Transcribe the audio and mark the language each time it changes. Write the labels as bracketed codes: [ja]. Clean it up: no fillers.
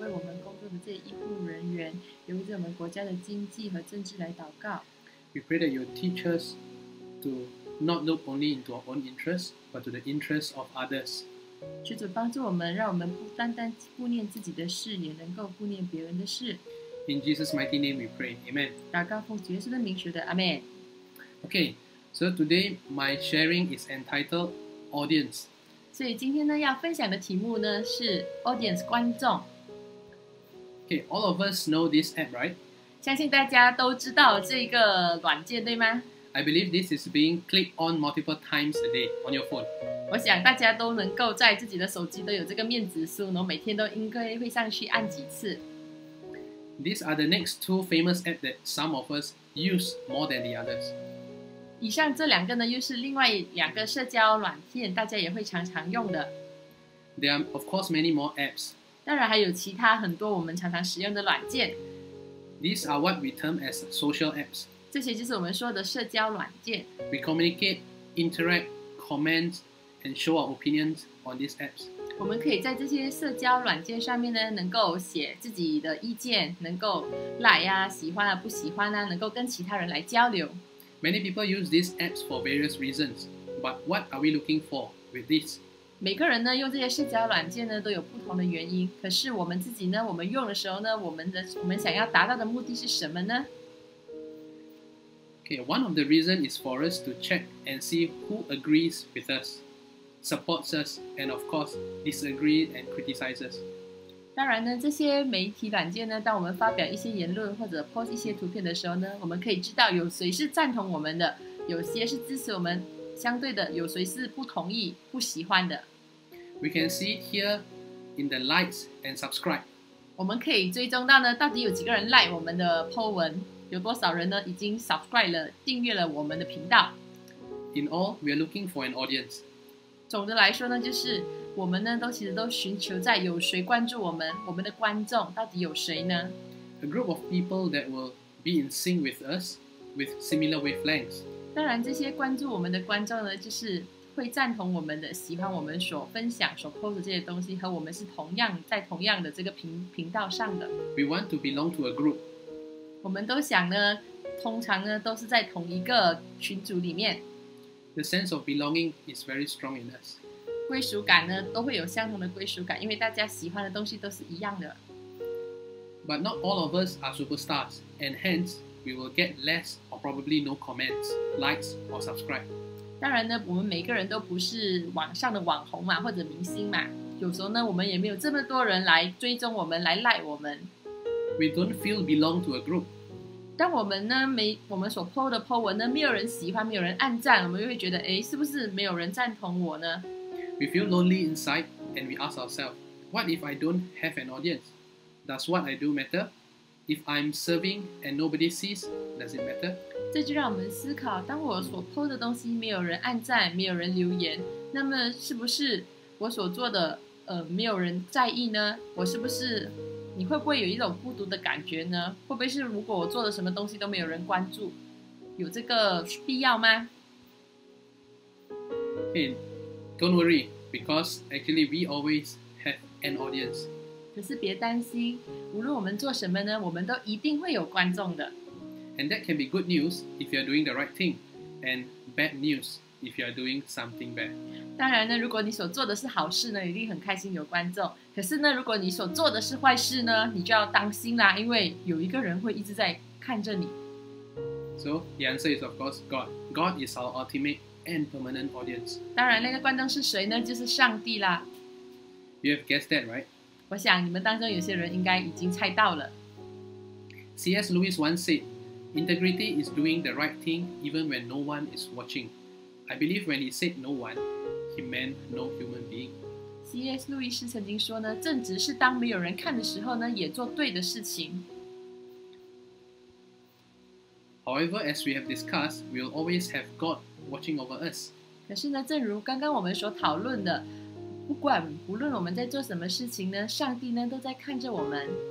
[zh] 我们为这在我们前线为我们工作的这些医护人员, 也为着我们国家的经济和政治来祷告。 [en] We pray that you teach us to not look only into our own interests, but to the interests of others. [zh] 主帮助我们, 让我们不单单顾念自己的事, 也能够顾念别人的事。 [en] In Jesus' mighty name we pray, Amen. [zh] 祷告奉主耶稣的名求的, Amen. [en] Okay, so today my sharing is entitled Audience. [zh] 所以今天呢, 要分享的题目呢, 是 Audience, 观众。 [en] Okay, all of us know this app, right? [zh] 相信大家都知道这个软件, 对吗? [en] I believe this is being clicked on multiple times a day on your phone. [zh] 我想大家都能够在自己的手机都有这个面子书, 然后每天都应该会上去按几次。 [en] These are the next two famous apps that some of us use more than the others. [zh] 以上这两个呢, 又是另外两个社交软件, 大家也会常常用的。 [en] There are of course many more apps. [zh] 当然还有其他很多我们常常使用的软件。 [en] These are what we term as social apps. [zh] 这些就是我们说的社交软件。 [en] We communicate, interact, comment, and show our opinions on these apps. [zh] 我们可以在这些社交软件上面呢, 能够写自己的意见, 能够来啊, 喜欢啊, 不喜欢啊, 能够跟其他人来交流。 [en] Many people use these apps for various reasons, but what are we looking for with this? [zh] 每个人呢, 用这些社交软件呢, 都有不同的原因, 可是我们自己呢, 我们用的时候呢, 我们想要达到的目的是什么呢? [en] Okay, one of the reasons is for us to check and see who agrees with us, supports us, and of course, disagrees and criticizes. [zh] 当然呢, 这些媒体软件呢, 当我们发表一些言论或者post一些图片的时候呢, 我们可以知道有谁是赞同我们的, 有些是支持我们, 相对的, 有谁是不同意, 不喜欢的。 [en] We can see it here in the likes and subscribe. [zh] 我们可以追踪到呢, 到底有几个人like我们的po文。有多少人呢已经 subscribe 了，订阅了我们的频道。 [en] In all, we are looking for an audience. [zh] 总的来说呢，就是我们呢都其实都寻求在有谁关注我们，我们的观众到底有谁呢？ [en] A group of people that will be in sync with us with similar wavelengths. [zh] 当然这些关注我们的观众呢，就是会赞同我们的，喜欢我们所分享所 post 这些东西，和我们是同样在同样的这个 频道上的。 [en] We want to belong to a group. [zh] 我们都想呢，通常呢都是在同一个群组里面。 [en] The sense of belonging is very strong in us. [zh] 归属感呢都会有相同的归属感，因为大家喜欢的东西都是一样的。 [en] But not all of us are superstars, and hence we will get less or probably no comments, likes or subscribe. [zh] 当然呢，我们每个人都不是网上的网红嘛，或者明星嘛。有时候呢，我们也没有这么多人来追踪我们，来 like 我们。 [en] We don't feel belong to a group. [zh] 当我们呢，我们所 po 的 po 文呢，没有人喜欢，没有人按赞，我们就会觉得，哎，是不是没有人赞同我呢？ [en] We feel lonely inside, and we ask ourselves, what if I don't have an audience? Does what I do matter? If I'm serving and nobody sees, does it matter? [zh] 这就让我们思考，当我所 po 的东西没有人按赞，没有人留言，那么是不是我所做的没有人在意呢？我是不是，你会不会有一种孤独的感觉呢？会不会是如果我做的什么东西都没有人关注，有这个必要吗？ [en] Hey, don't worry, because actually we always have an audience. [zh] 可是别担心，无论我们做什么呢，我们都一定会有观众的。 [en] And that can be good news if you are doing the right thing, and bad news if you are doing something bad. [zh] 当然呢，如果你所做的是好事呢，一定很开心有观众。可是呢，如果你所做的是坏事呢，你就要当心啦，因为有一个人会一直在看着你。 [en] So the answer is of course God. God is our ultimate and permanent audience. [zh] 当然，那个观众是谁呢？就是上帝啦。 [en] You have guessed that, right? [zh] 我想你们当中有些人应该已经猜到了。 [en] C.S. Lewis once said. Integrity is doing the right thing even when no one is watching. I believe when he said no one, he meant no human being. C.S. [zh] 路易斯曾经说呢，正直是当没有人看的时候呢，也做对的事情。 [en] However, as we have discussed, we will always have God watching over us. [zh] 可是呢，正如刚刚我们所讨论的，无论我们在做什么事情呢，上帝呢都在看着我们。